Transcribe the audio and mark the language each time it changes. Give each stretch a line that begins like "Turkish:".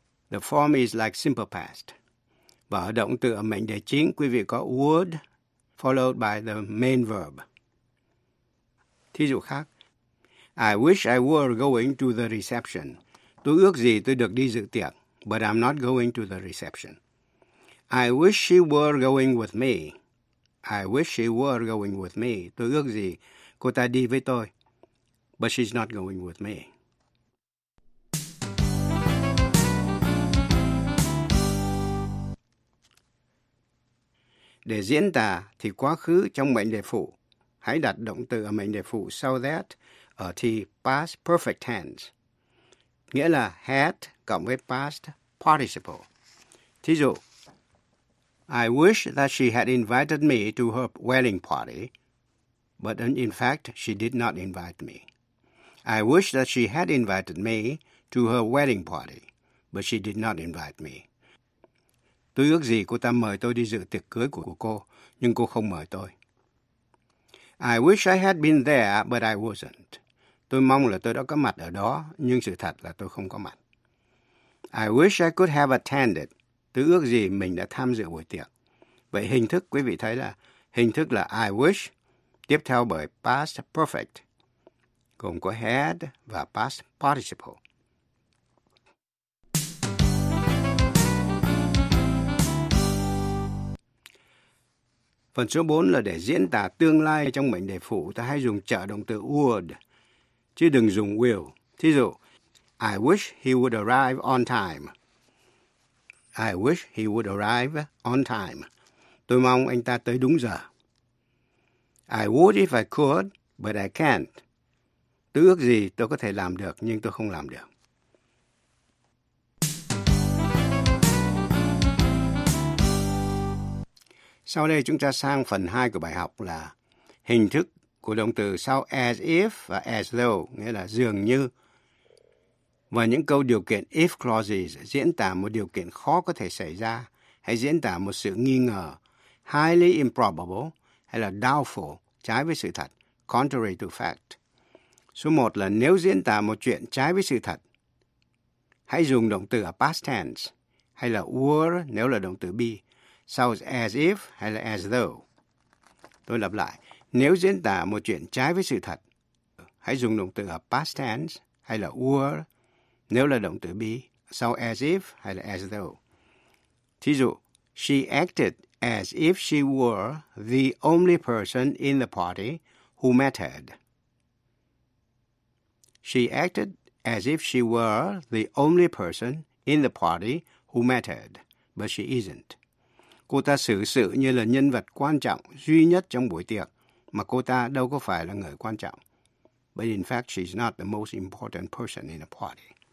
English: The form is like simple past.
Vietnamese: Và ở động từ ở mệnh đề chính, quý vị có would
English: followed by the main verb.
Vietnamese: Thí dụ khác.
English: I wish I were going to the reception.
Vietnamese: Tôi ước gì tôi được đi dự tiệc.
English: But I'm not going to the reception. I wish she were going with me. I wish she were going with me.
Vietnamese: Tôi ước gì cô ta đi với tôi.
English: But she's not going with me.
Vietnamese: Để diễn tả thì quá khứ trong mệnh đề phụ. Hãy đặt động từ ở mệnh đề phụ sau that ở thì past perfect tense. Nghĩa là had cộng với past participle. Thí dụ,
English: I wish that she had invited me to her wedding party, but in fact, she did not invite me. I wish that she had invited me to her wedding party, but she did not invite me.
Vietnamese: Tôi ước gì cô ta mời tôi đi dự tiệc cưới của cô, nhưng cô không mời tôi.
English: I wish I had been there, but I wasn't.
Vietnamese: Tôi mong là tôi đã có mặt ở đó, nhưng sự thật là tôi không có mặt.
English: I wish I could have attended.
Vietnamese: Tôi ước gì mình đã tham dự buổi tiệc. Vậy hình thức quý vị thấy là hình thức là I wish tiếp theo bởi past perfect gồm có had và past participle. Phần số 4 là để diễn tả tương lai trong mệnh đề phụ ta hay dùng trợ động từ would chứ đừng dùng will. Thí dụ
English: I wish he would arrive on time. I wish he would arrive on time.
Vietnamese: Tôi mong anh ta tới đúng giờ.
English: I would if I could, but I can't.
Vietnamese: Tôi ước gì tôi có thể làm được, nhưng tôi không làm được. Sau đây chúng ta sang phần 2 của bài học là hình thức của động từ sau as if và as though, nghĩa là dường như. Và những câu điều kiện if clauses diễn tả một điều kiện khó có thể xảy ra hay diễn tả một sự nghi ngờ, highly improbable hay là doubtful, trái với sự thật, contrary to fact. Số 1 là nếu diễn tả một chuyện trái với sự thật, hãy dùng động từ ở past tense hay là were nếu là động từ be, sau as if hay là as though. Tôi lặp lại, nếu diễn tả một chuyện trái với sự thật, hãy dùng động từ ở past tense hay là were nếu là động từ be, sau as if hay là as though. Thí dụ,
English: she acted as if she were the only person in the party who mattered. She acted as if she were the only person in the party who mattered, but she isn't.
Vietnamese: Cô ta xử sự như là nhân vật quan trọng duy nhất trong buổi tiệc, mà cô ta đâu có phải là người quan trọng.
English: But in fact, she's not the most important person in the party.